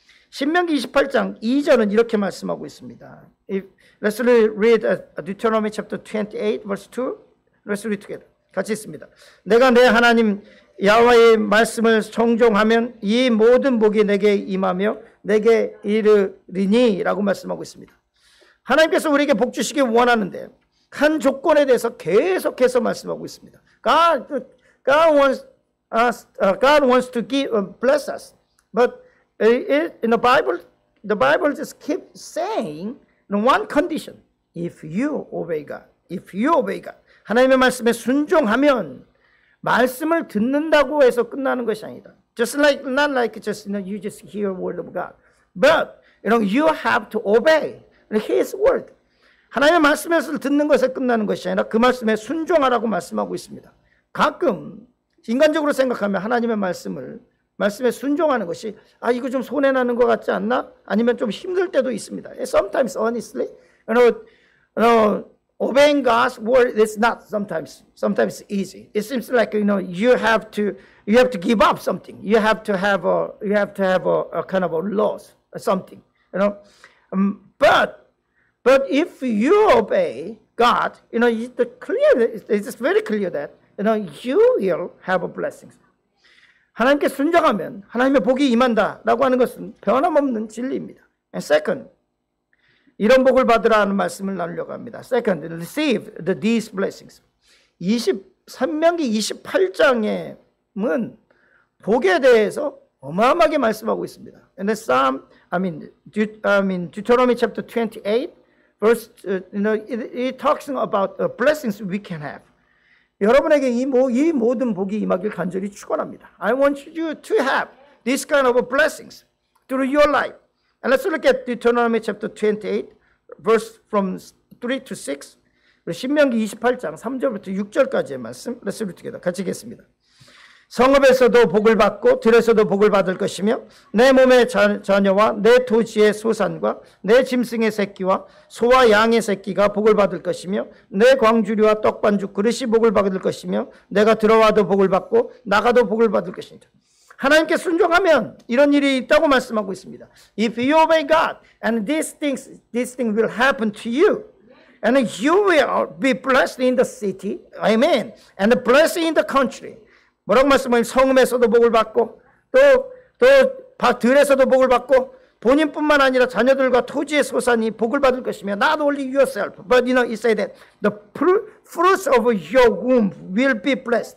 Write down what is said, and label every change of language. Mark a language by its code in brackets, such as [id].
[ko] 신명기 28장 2절은 이렇게 말씀하고 있습니다. [en] Let's read Deuteronomy chapter 28 verse 2. Let's read together. [ko] 같이 있습니다. 내가 내 하나님 야훼의 말씀을 청종하면 이 모든 복이 내게 임하며 내게 이르리니 라고 말씀하고 있습니다. 하나님께서 우리에게 복 주시기 원하는데 한 조건에 대해서 계속해서 말씀하고 있습니다. [en] God wants to bless us, but in the Bible just keep saying one condition: if you obey God, [ko] 하나님의 말씀에 순종하면 말씀을 듣는다고 해서 끝나는 것이 아니다. [en] Just hear word of God, but you know you have to obey His word. [ko] 하나님의 말씀을 듣는 것에 끝나는 것이 아니라 그 말씀에 순종하라고 말씀하고 있습니다. 가끔 인간적으로 생각하면 하나님의 말씀에 순종하는 것이 이거 좀 손해 나는 것 같지 않나? 아니면 좀 힘들 때도 있습니다. [en] Sometimes honestly, you know, obeying God's word is not sometimes easy. It seems like you have to give up something. You have to have a kind of a loss, something, you know. But But if you obey God, you know, it's clear, it's very clear that, you know, you will have a blessing. [ko] 하나님께 순종하면 하나님의 복이 임한다라고 하는 것은 변함없는 진리입니다. [en] And second, [ko] 이런 복을 받으라는 말씀을 나누려고 합니다. [en] Second, receive these blessings. [ko] 23명기 28장에는 복에 대해서 어마어마하게 말씀하고 있습니다. [en] And then Psalm, Deuteronomy chapter 28, verse, you know, it talks about the blessings we can have. [ko] 여러분에게 이 모든 복이 임하길 간절히 축원합니다. [en] I want you to have this kind of blessings through your life. And let's look at Deuteronomy chapter 28, verse from 3 to 6. [ko] 신명기 28장 3절부터 6절까지의 말씀 [en] Let's read together. [ko] 같이 읽겠습니다. 성읍에서도 복을 받고 들에서도 복을 받을 것이며 내 몸의 자녀와 내 토지의 소산과 내 짐승의 새끼와 소와 양의 새끼가 복을 받을 것이며 내 광주리와 떡반죽 그릇이 복을 받을 것이며 내가 들어와도 복을 받고 나가도 복을 받을 것입니다. 하나님께 순종하면 이런 일이 있다고 말씀하고 있습니다. [en] If you obey God and these things will happen to you. And you will be blessed in the city. Amen. And blessed in the country. [ko] 뭐라고 말씀하냐면 성읍에서도 복을 받고 또 들에서도 복을 받고 본인뿐만 아니라 자녀들과 토지의 소산이 복을 받을 것이며 [en] not only yourself, but you know, he said that the fruits of your womb will be blessed.